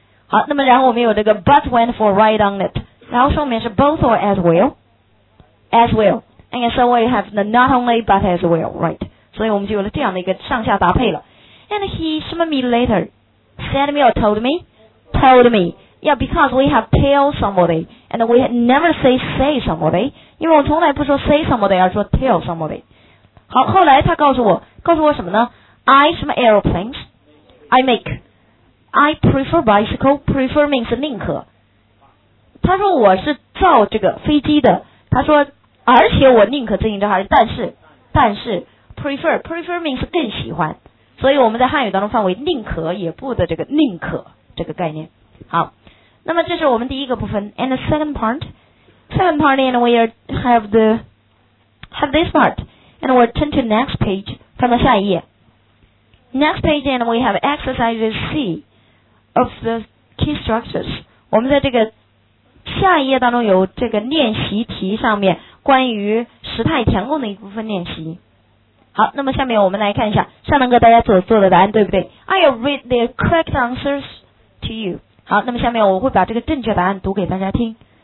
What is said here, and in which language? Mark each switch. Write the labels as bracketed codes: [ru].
[zh] 好，那么然后我们有这个 [en] but went for a ride on it， [zh] 然后说明是 [en] both or as well and so we have the not only but as well， right？ [zh] 所以我们就有了这样的一个上下搭配了。 [en] and he saw me later， said me or told me yeah， because we have tell somebody and we never say somebody， [zh] 因为我从来不说 say somebody， 而说 tell somebody。好，后来他告诉我什么呢？ [en] I [zh] 什么 [en] aeroplanes， I make， I prefer bicycle， prefer means [zh] 宁可。他说我是造这个飞机的，他说而且我宁可自行车，还是但是 [en] prefer means [zh] 更喜欢，所以我们在汉语当中范围宁可也不的这个宁可这个概念。好，那么这是我们第一个部分。 [en] and the second partSecond part, and we have this part, and we'll turn to next page. [zh] 看到下一页。 [en] Next page, and we have exercise C of the key structures. [zh] 我们在这个下一页当中有这个练习题上面关于时态填空的一部分练习。好，那么下面我们来看一下上面给大家所做的答案，对不对？ [en] I'll read the correct answers to you. [zh] 好，那么下面我会把这个正确答案读给大家听。